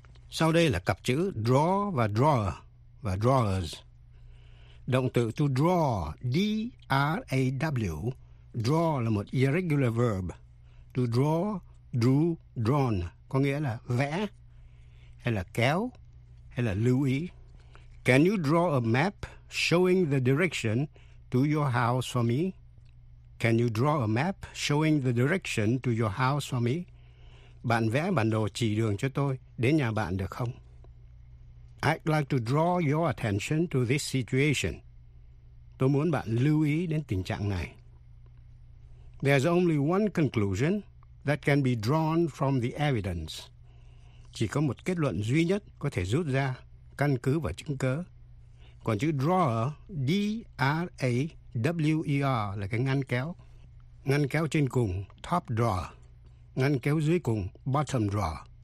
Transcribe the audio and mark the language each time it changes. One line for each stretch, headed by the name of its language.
Vietnamese: Sau đây là cặp chữ draw và drawer và drawers. Động từ to draw, D-R-A-W. Draw là một irregular verb.
English: To draw, drew, drawn,
Vietnamese: có nghĩa là vẽ, hay là kéo, hay là lưu ý.
English: Can you draw a map showing the direction to your house for me? Can you draw a map showing the direction to your house for me?
Vietnamese: Bạn vẽ bản đồ chỉ đường cho tôi đến nhà bạn được không?
English: I'd like to draw your attention to this situation.
Vietnamese: Tôi muốn bạn lưu ý đến tình trạng này.
English: There's only one conclusion that can be drawn from the evidence.
Vietnamese: Chỉ có một kết luận duy nhất có thể rút ra, căn cứ vào chứng cứ. Còn chữ drawer, D-R-A-W-E-R, là cái ngăn kéo. Ngăn kéo trên cùng,
English: top drawer.
Vietnamese: Ngăn kéo dưới cùng,
English: bottom drawer.